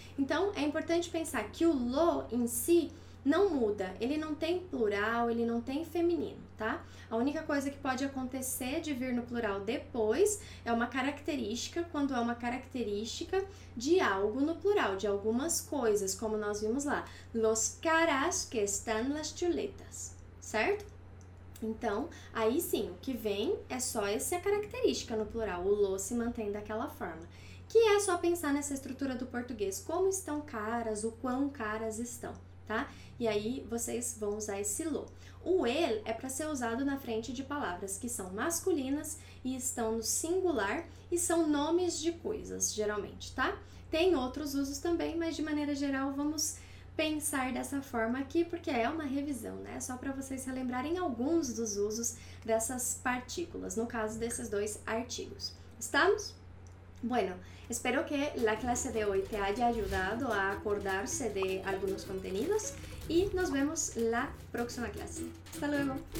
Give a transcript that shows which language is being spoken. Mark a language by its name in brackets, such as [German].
[Portuguese] Então, é importante pensar que o lo em si não muda, ele não tem plural, ele não tem feminino, tá? A única coisa que pode acontecer de vir no plural depois é uma característica, quando é uma característica de algo no plural, de algumas coisas, como nós vimos lá. [Spanish] Los caras que están las chuletas, certo? [Portuguese] Então, aí sim, o que vem é só essa característica no plural, o lo se mantém daquela forma. Que é só pensar nessa estrutura do português, como estão caras, o quão caras estão. Tá? E aí vocês vão usar esse lo. O el é para ser usado na frente de palavras que são masculinas e estão no singular e são nomes de coisas, geralmente, tá? Tem outros usos também, mas de maneira geral vamos pensar dessa forma aqui, porque é uma revisão, né? Só para vocês relembrarem alguns dos usos dessas partículas, no caso desses dois artigos. Estamos? [Spanish] Bueno, espero que la clase de hoy te haya ayudado a acordarse de algunos contenidos y nos vemos la próxima clase. Hasta luego.